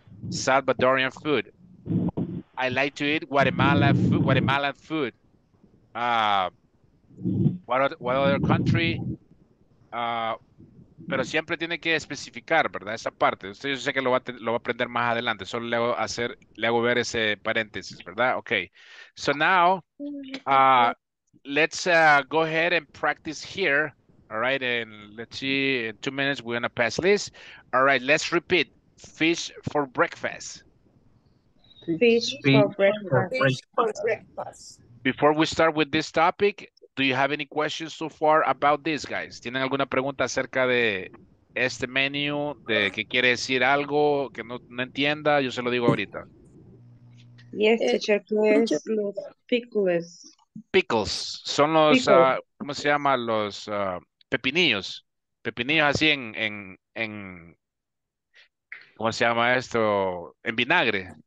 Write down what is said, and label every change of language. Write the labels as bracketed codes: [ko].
[en] Salvadorian food. I like to eat Guatemalan food. What other country? [es] Pero siempre tiene que especificar, ¿verdad? Esa parte. Usted, yo sé que lo va a aprender más adelante. Solo le hago ver ese paréntesis, ¿verdad? Okay. [en] So now, let's go ahead and practice here. All right. And let's see. In 2 minutes, we're going to pass this. All right. Let's repeat. Fish for breakfast. Fish for breakfast. Before we start with this topic, do you have any questions so far about this, guys? [es] ¿Tienen alguna pregunta acerca de este menú? ¿De qué quiere decir algo que no entienda? Yo se lo digo ahorita. [en] Yes, teacher, please. Pickles. [es] Pickles. Son los, pickles. ¿Cómo se llama? Los pepinillos. Pepinillos así en ¿cómo se llama esto? En vinagre.